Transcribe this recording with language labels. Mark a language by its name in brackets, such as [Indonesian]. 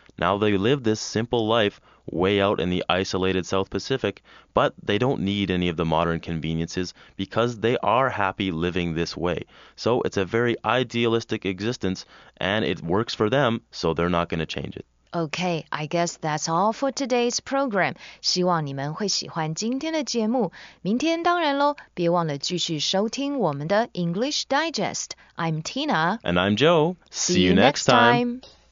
[English] Now, they live this simple life,way out in the isolated South Pacific, but they don't need any of the modern conveniences because they are happy living this way. So it's a very idealistic existence and it works for them, so they're not going to change it. Okay, I guess that's all for today's program. [Chinese] 希望你们会喜欢今天的节目。明天当然咯，别忘了继续收听我们的 English Digest. [English] I'm Tina. And I'm Joe. See you next time.